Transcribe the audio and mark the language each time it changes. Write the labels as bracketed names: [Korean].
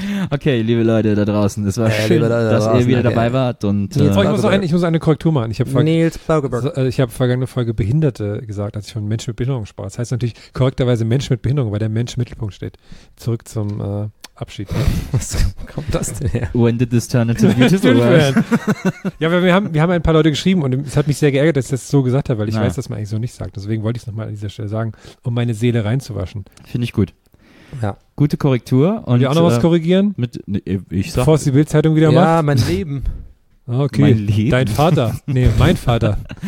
[German] Okay, liebe Leute da draußen, es war schön, Leute, dass draußen, ihr wieder dabei wart. Und, ich muss eine Korrektur machen. Ich hab vergangene Folge Behinderte gesagt, als ich von Menschen mit Behinderung sprach. Das heißt natürlich korrekterweise Mensch mit Behinderung, weil der Mensch im Mittelpunkt steht. Zurück zum Abschied. Ne? Was kommt das denn her? [English] When did this turn into beautiful world? [German] Ja, aber wir haben ein paar Leute geschrieben und es hat mich sehr geärgert, dass ich das so gesagt habe, weil ich weiß, dass man eigentlich so nicht sagt. Deswegen wollte ich es nochmal an dieser Stelle sagen, um meine Seele reinzuwaschen. Finde ich gut. Ja. Gute Korrektur. Und wir auch noch was korrigieren? Bevor es die Bild-Zeitung wieder macht? Ja, mein Leben. Okay. Mein Leben? Dein Vater. Nee, mein Vater.